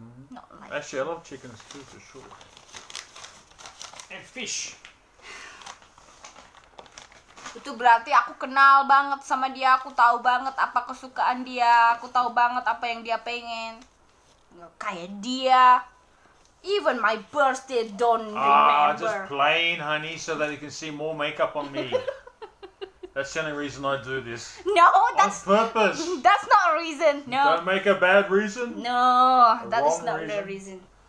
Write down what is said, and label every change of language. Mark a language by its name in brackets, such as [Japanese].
[English] Not like actually, I love chickens too, for sure. And fish. [Indonesian] Itu berarti aku kenal banget sama dia, aku tahu banget apa kesukaan dia, aku tahu banget apa yang dia pengen. Kayak dia. [English] Even my birthday don't remember. Ah, just plain, honey, so that you can see more makeup on me. That's the only reason I do this. No, on that's purpose. That's not a reason. No. Don't make a bad reason. No, that is not the reason.